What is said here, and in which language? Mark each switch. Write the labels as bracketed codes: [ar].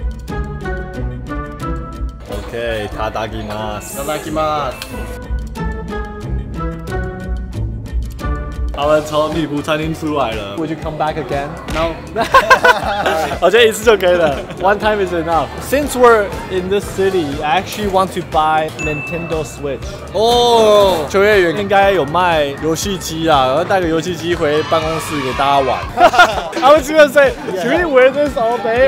[ja] いただきます。いただきます。 [zh] 他们从女仆餐厅出来了。 [en] Would you come back again? No. [zh] 我觉得一次就可以了。 [en] One time is enough. Since we're in this city, I actually want to buy Nintendo Switch. [zh] 哦，秋叶原应该有卖游戏机啦，然后带个游戏机回办公室给大家玩。 [en] I was just gonna say, should we wear this all day?